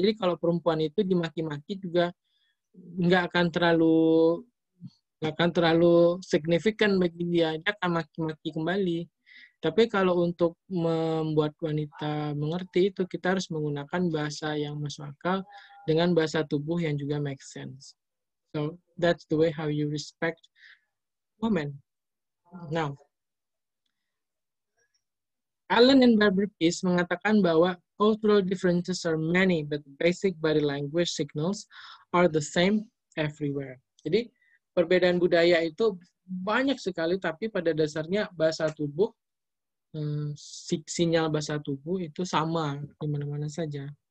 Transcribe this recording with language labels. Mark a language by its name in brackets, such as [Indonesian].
[Indonesian] Jadi kalau perempuan itu dimaki-maki juga nggak akan terlalu signifikan bagi dia, dia akan maki-maki kembali. Tapi kalau untuk membuat wanita mengerti itu, kita harus menggunakan bahasa yang masuk akal dengan bahasa tubuh yang juga make sense. [English] So that's the way how you respect women. Now, Allen and Barbara Pease [Indonesian] mengatakan bahwa [English] cultural differences are many, but basic body language signals are the same everywhere. [Indonesian] Jadi, perbedaan budaya itu banyak sekali, tapi pada dasarnya bahasa tubuh, sinyal bahasa tubuh itu sama di mana-mana saja.